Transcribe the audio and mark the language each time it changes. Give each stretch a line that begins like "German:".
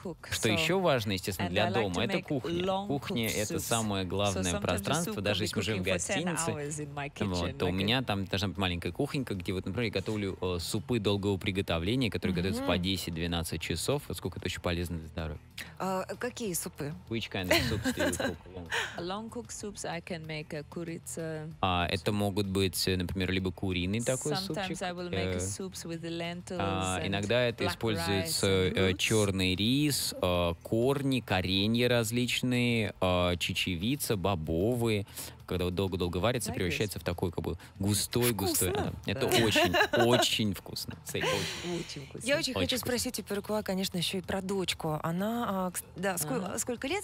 Russian: Что еще важно, естественно, для дома, это кухня. Кухня — это самое главное пространство. Даже если мы живем в гостинице, то у меня там должна быть маленькая кухонька, где, вот, например, я готовлю супы долгого приготовления, которые готовятся по 10-12 часов. Вот сколько это очень полезно для здоровья. Какие супы?
English: Which kind of soups do you cook long? Long-cooked soups I can make a
Russian: курица. Это могут быть, например, либо куриный такой супчик.
English: Sometimes I will make soups with lentils.
Russian: Иногда это используется черный рис, корни, коренья различные, чечевица, бобовые. Когда вот долго-долго варится,
English: like
Russian: превращается
English: this?
Russian: В такой как бы густой-густой. Густой. Да. Это очень-очень вкусно. Я очень хочу спросить у Перкуа, конечно, еще и про дочку. Она, да, сколько лет?